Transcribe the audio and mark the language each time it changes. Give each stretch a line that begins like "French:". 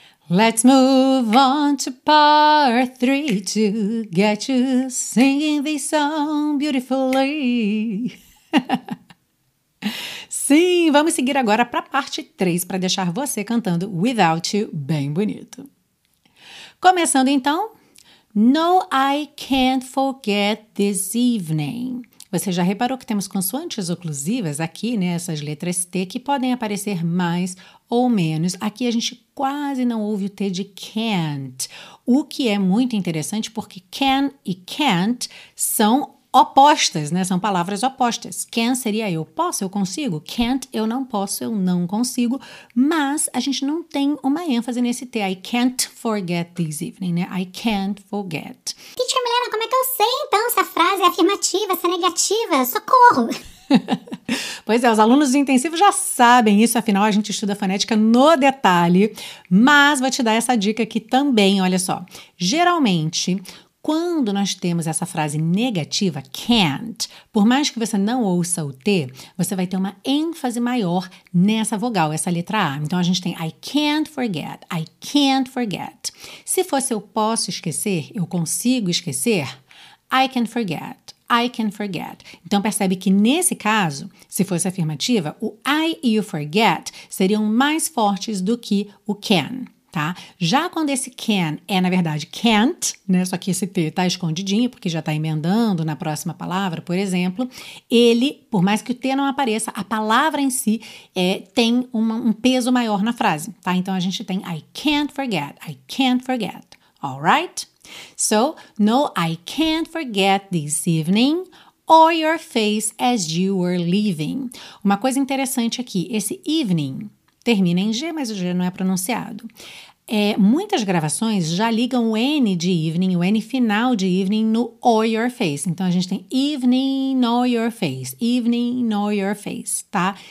English: Let's move on to part 3 to get you singing this song beautifully.
Portuguese: Sim, vamos seguir agora para a parte 3 para deixar você cantando Without You bem bonito. Começando então.
English: No, I can't forget this evening.
Portuguese: Você já reparou que temos consoantes oclusivas aqui, né? Essas letras T que podem aparecer mais ou menos. Aqui a gente quase não ouve o T de can't, o que é muito interessante porque can e can't são opostas, né? São palavras opostas. Can seria eu posso, eu consigo. Can't, eu não posso, eu não consigo. Mas a gente não tem uma ênfase nesse T.
English: I can't forget this evening, né? I can't forget.
Portuguese: Teacher Milena, como é que eu sei, então, se a frase é afirmativa, se é negativa? Socorro! Pois é, os alunos do intensivo já sabem isso, afinal a gente estuda fonética no detalhe. Mas vou te dar essa dica aqui também, olha só. Geralmente, quando nós temos essa frase negativa, can't, por mais que você não ouça o T, você vai ter uma ênfase maior nessa vogal, essa letra A. Então, a gente tem
English: I can't forget, I can't forget.
Portuguese: Se fosse eu posso esquecer, eu consigo esquecer,
English: I can forget, I can forget.
Portuguese: Então, percebe que nesse caso, se fosse afirmativa, o I e o forget seriam mais fortes do que o can. Tá? Já quando esse can é, na verdade, can't, né? Só que esse T está escondidinho, porque já está emendando na próxima palavra, por exemplo, ele, por mais que o T não apareça, a palavra em si tem um peso maior na frase. Tá? Então, a gente tem
English: I can't forget, all right? So, no, I can't forget this evening or your face as you were leaving.
Portuguese: Uma coisa interessante aqui, esse evening termina em G, mas o G não é pronunciado. Muitas gravações já ligam o N de evening, o N final de evening no or your face. Então, a gente tem
English: evening or your face, evening or your face, tá?